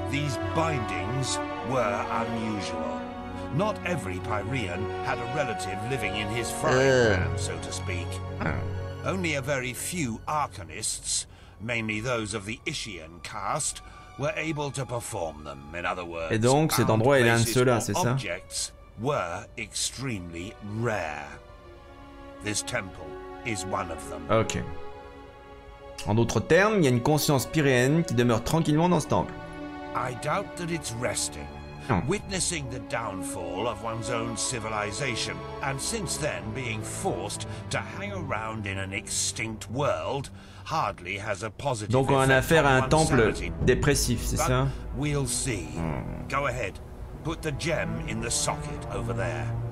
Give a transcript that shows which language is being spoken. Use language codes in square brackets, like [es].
[en] These bindings were unusual. Not every Pyrean had a relative living in his frying pan, so to speak. Only a very few Arcanists, mainly those of the Ishian caste, were able to perform them. In other words, [fr] et donc, cet endroit est l'un de ceux-là, c'est ça? [en] Objects were extremely rare. This temple is one of them. Ok. [fr] En d'autres termes, il y a une conscience pyréenne qui demeure tranquillement dans ce temple. [en] I doubt that it's resting, witnessing the downfall of one's own civilization, and since then being forced to hang around in an extinct world, hardly has a positive. [fr] Donc on a affaire à un temple dépressif, c'est ça? [en] We'll see. Go ahead. Put the gem in the socket over there.